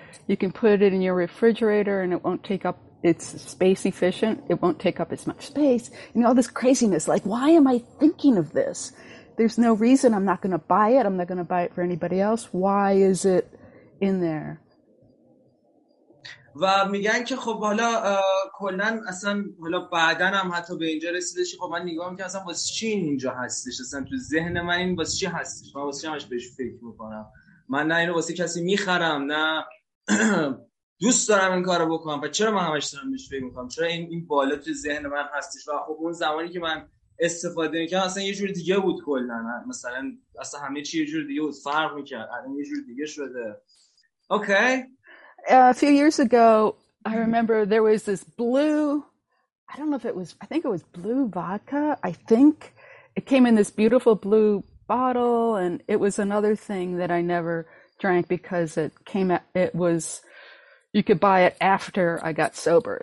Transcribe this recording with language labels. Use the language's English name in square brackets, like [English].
[English] You can put it in your refrigerator and it won't take up, it's space efficient. It won't take up as much space. You know, all this craziness, like, why am I thinking of this? There's no reason. I'm not going to buy it. I'm not going to buy it for anybody else. Why is it in there? [Persian] و میگن که خب حالا کلن اصلا حالا بعدن هم حتی به اینجا رسیدش، خب من نگاه میکنم اصلا واسه چی اینجا هستش، اصلا تو ذهن من این واسه چی هستش، من واسه چی همش بهش فکر میکنم، من نه اینو واسه کسی میخرم نه دوست دارم این کارو بکنم، و چرا من همش دارم بهش فکر میکنم، چرا این بالا تو ذهن من هستش. و خب اون زمانی که من استفاده میکنم اصلا یه جور دیگه بود کلن، مثلا اصلا همه چی یه جور دیگه بود، فرق میکرد، الان یه جور دیگه شده. اوکی. [English] A few years ago, I remember there was this blue, I don't know if it was, I think it was blue vodka, I think. It came in this beautiful blue bottle, and it was another thing that I never drank because it came, it was, you could buy it after I got sober.